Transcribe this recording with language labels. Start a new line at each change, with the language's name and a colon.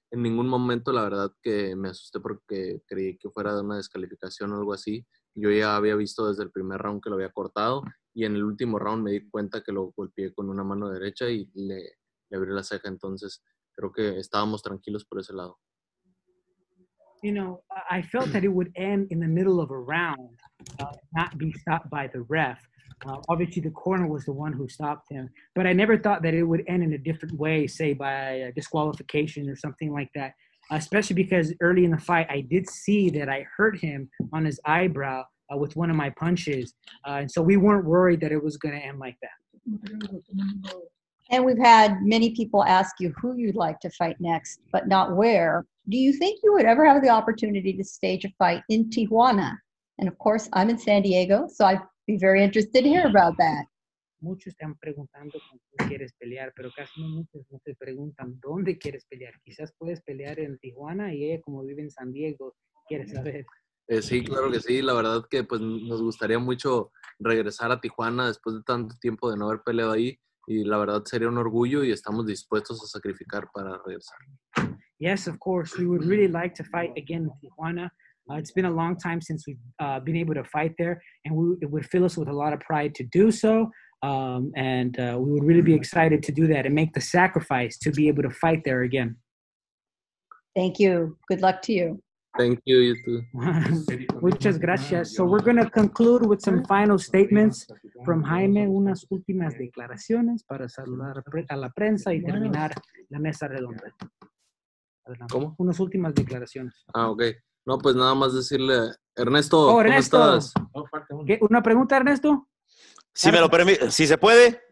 Spanish: En ningún momento, la verdad, que me asusté porque creí que fuera de una descalificación o algo así. Yo ya había visto desde el primer round que lo había cortado. Y en el último round me di cuenta que lo golpeé con una mano derecha y le abrí la ceja. Entonces, creo que estábamos tranquilos por ese lado.
English: I felt that it would end in the middle of a round, not be stopped by the ref. Obviously, the corner was the one who stopped him. But I never thought that it would end in a different way, say, by disqualification or something like that. Especially because early in the fight, I did see that I hurt him on his eyebrow with one of my punches. And so we weren't worried that it was going to end like that. And we've had many people ask you who you'd like to fight next, but not where. Do you think you would ever have the opportunity to stage a fight in Tijuana? And of course, I'm in San Diego, so I'd be very interested to hear about that.
Spanish: Muchos están preguntando con quién quieres pelear, pero casi no muchos no te preguntan dónde quieres pelear. Quizás puedes pelear en Tijuana y ella, como vive en San Diego, quiere saber. Sí, claro que sí. La verdad que pues nos gustaría mucho regresar a Tijuana después de tanto tiempo de no haber peleado ahí. Y la verdad sería un orgullo y estamos dispuestos a sacrificar para regresar.
English: Yes, of course. We would really like to fight again in Tijuana. It's been a long time since we've been able to fight there. And it would fill us with a lot of pride to do so. We would really be excited to do that and make the sacrifice to be able to fight there again. Thank you. Good luck to you. Thank you, you too.
Spanish: Muchas gracias.
English: So we're going to conclude with some final statements from Jaime.
Spanish: Unas últimas declaraciones para saludar a la prensa y terminar la mesa redonda. ¿Cómo? Unas últimas declaraciones.
English: Ah, okay.
Spanish: No, pues nada más decirle, Ernesto, oh, ¿cómo estás? ¿Qué? ¿Una pregunta, Ernesto? Si me lo permite, si se puede.